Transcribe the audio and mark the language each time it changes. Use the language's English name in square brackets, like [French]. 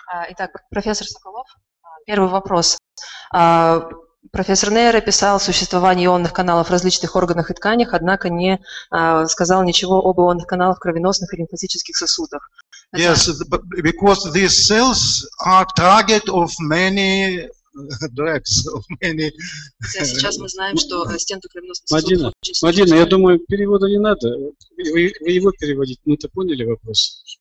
[Russian] Итак, профессор Соколов, первый вопрос. Профессор Нейр описал существование ионных каналов в различных органах и тканях, однако не сказал ничего об ионных каналах в кровеносных и лимфатических сосудах. [English] Yes, because these cells are target of many drugs, of many... [Russian] Сейчас мы знаем, что стенка кровеносных сосудов... Мадина, я думаю, перевода не надо. Вы его переводите, мы-то поняли вопрос.